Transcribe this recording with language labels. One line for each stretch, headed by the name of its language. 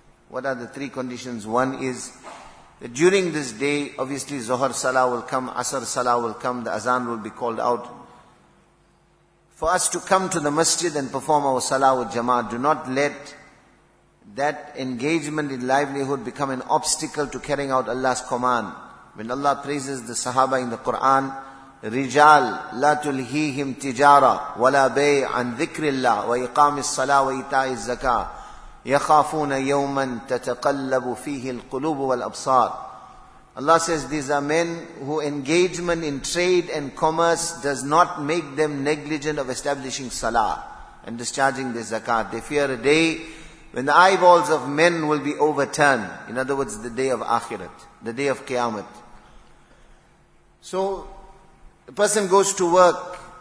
English: What are the three conditions? One is that during this day, obviously, Zuhr Salah will come, Asr Salah will come, the Azan will be called out. For us to come to the masjid and perform our Salah with Jama'ah, do not let that engagement in livelihood become an obstacle to carrying out Allah's command. When Allah praises the Sahaba in the Quran,
Arabic: رِجَال لَا تُلْهِيهِمْ تِجَارَ وَلَا بَيْعَ عَنْ ذِكْرِ اللَّهِ وَإِقَامِ الصَّلَاةِ وَإِيتَاءِ الزَّكَاةِ يَخَافُونَ يَوْمًا تَتَقَلَّبُ فِيهِ الْقُلُوبُ وَالْأَبْصَارِ.
English: Allah says, these are men who engagement in trade and commerce does not make them negligent of establishing salah and discharging their zakat. They fear a day when the eyeballs of men will be overturned. In other words, the day of akhirat, the day of qiyamah. So, the person goes to work.